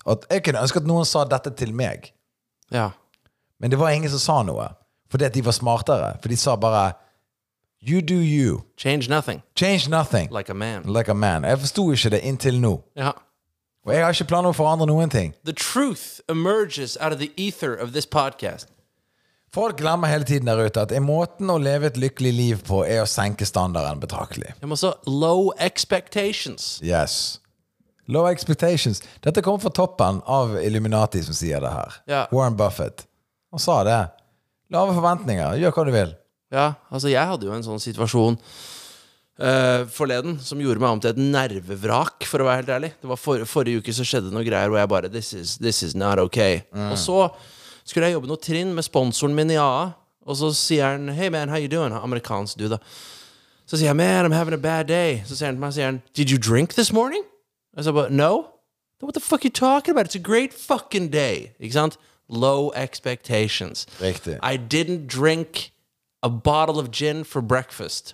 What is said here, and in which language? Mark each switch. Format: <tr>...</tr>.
<no>At jeg kunne ønske at noen sa dette til meg. Ja. Men det var ingen som sa noe. Fordi at de var smartere. For de sa bare,</no> <en>you do you. Change nothing. Change nothing. Like a man. Like a man.</en> <no>Jeg forstod ikke det inntil nå. Ja. Og jeg har ikke planer å forandre noen ting.</no> <en>The truth emerges out of the ether of this podcast.</en> <no>Folk glemmer hele tiden der ute at en måten å leve et lykkelig liv på er å senke standarden betraktelig. Jeg må så</no> <en>low expectations. Yes. Low expectations.</en> <no>Dette kommer fra toppen av Illuminati som sier det her. Ja. Warren Buffett. Han sa det. Lave forventninger. Gjør hva du vil. Ja, altså jeg hadde jo en sånn situasjon forleden som gjorde meg om til et nervevrak, for å være helt ærlig. Det var forrige uke så skjedde noe greier hvor jeg bare,</no> <en>this is not okay.</en> <no>Mm. Og så skulle jeg jobbe noe trinn med sponsoren min i AA. Og så sier han,</no> <en>hey man, how you doing?</en> <no>Amerikansk dude da. Så sier jeg,</no> <en>man, I'm having a bad day.</en> <no>Så sier han til meg, sier han,</no> <en>did you drink this morning? I said, but no. What the fuck are you talking about? It's a great fucking day.</en> <no>Ikke sant? Low expectations. Riktig.</no> <en>I didn't drink a bottle of gin for breakfast.</en>